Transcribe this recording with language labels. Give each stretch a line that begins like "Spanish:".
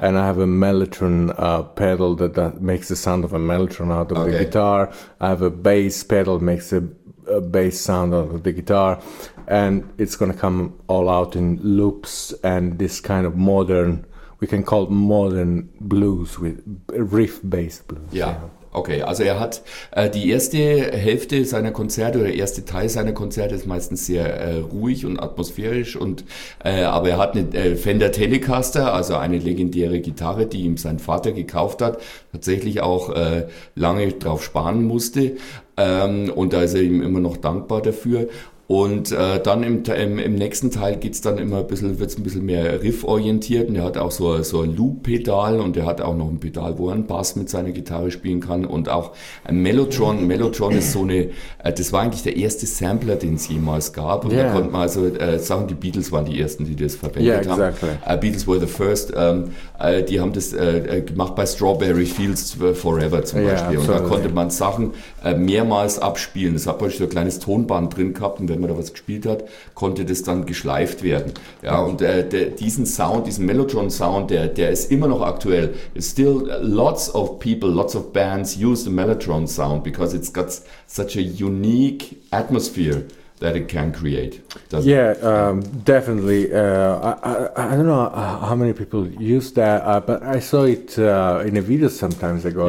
English: And I have a mellotron pedal that makes the sound of a mellotron out of okay. the guitar. I have a bass pedal that makes a bass sound out of the guitar. And it's going to come all out in loops and this kind of modern, we can call it modern blues, with riff-based blues. Yeah.
German: Okay, also er hat die erste Hälfte seiner Konzerte oder der erste Teil seiner Konzerte ist meistens sehr ruhig und atmosphärisch, und aber er hat eine Fender Telecaster, also eine legendäre Gitarre, die ihm sein Vater gekauft hat, tatsächlich auch lange drauf sparen musste, und da ist er ihm immer noch dankbar dafür. Und dann im nächsten Teil geht's dann immer wird's ein bisschen mehr rifforientiert, und er hat auch so ein Loop-Pedal, und er hat auch noch ein Pedal, wo er einen Bass mit seiner Gitarre spielen kann, und auch ein Mellotron. Mellotron ist so eine, das war eigentlich der erste Sampler, den es jemals gab, und yeah. da konnte man also sagen, die Beatles waren die ersten, die das verwendet yeah, exactly. haben.
English: Beatles were the first,
German: die haben das gemacht bei Strawberry Fields Forever zum yeah, Beispiel, Und da konnte man Sachen mehrmals abspielen, das hat man so ein kleines Tonband drin gehabt. Wenn man da was gespielt hat, konnte das dann geschleift werden. Ja, und diesen Sound, diesen Mellotron-Sound, der ist immer noch aktuell.
English: It's still lots of people, lots of bands use the Mellotron-Sound because it's got such a unique atmosphere that it can create. Doesn't yeah, it? Definitely. I don't know how many people use that, but I saw it in a video sometimes ago,